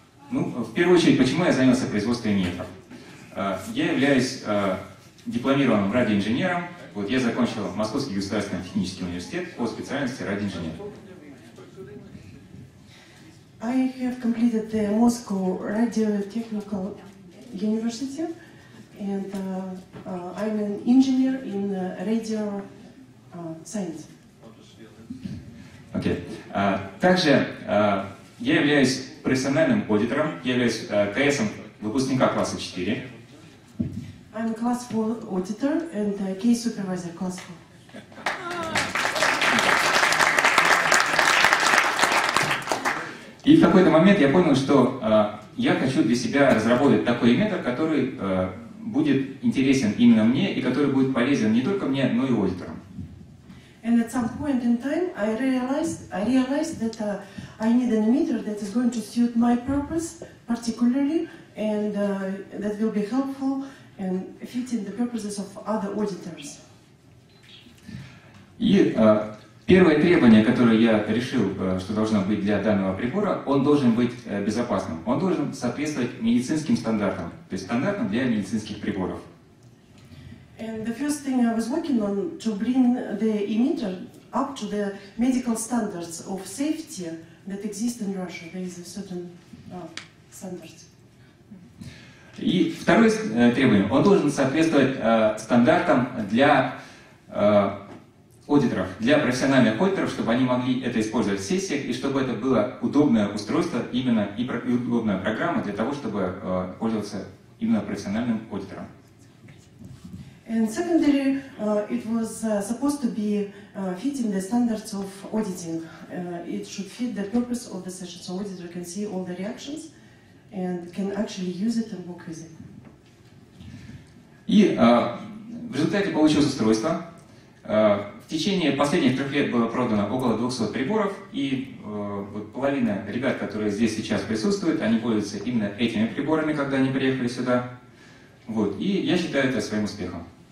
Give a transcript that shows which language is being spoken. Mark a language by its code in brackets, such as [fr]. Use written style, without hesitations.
[ru] Ну, в первую очередь, почему я занялся производством метров? Я являюсь дипломированным радиоинженером. Вот я закончил Московский государственный технический университет по специальности радиоинженер. [en] I have completed the Moscow Radio Technical University, and I'm an engineer in radio science. Okay. [ru] Также я являюсь профессиональным аудитором, я являюсь КСом выпускника класса 4. [en] I'm a class 4 auditor and a case supervisor class 4. [ru] И в какой-то момент я понял, что я хочу для себя разработать такой метр, который будет интересен именно мне и который будет полезен не только мне, но и аудиторам. [en] And at some point in time, I realized that I need a meter that is going to suit my purpose particularly, and that will be helpful and fitting the purposes of other auditors. [ru] И первое требование, которое я решил, что должно быть для данного прибора, он должен быть безопасным. Он должен соответствовать медицинским стандартам, то есть стандартам для медицинских приборов. [en] And the first thing I was working on to bring the emitter up to the medical standards of safety that exist in Russia. There is a certain standard. [ru] И второе требование. Он должен соответствовать стандартам для аудиторов, для профессиональных аудиторов, чтобы они могли это использовать в сессиях, и чтобы это было удобное устройство именно и удобная программа для того, чтобы пользоваться именно профессиональным аудитором. [en] And secondly, it was supposed to be fitting the standards of auditing. It should fit the purpose of the session, so auditor can see all the reactions and can actually use it and work with it. [ru] И в результате получилось устройство. В течение последних трех лет было продано около 200 приборов, и вот половина ребят, которые здесь сейчас присутствуют, они пользуются именно этими приборами, когда они приехали сюда. Вот, и я считаю это своим успехом.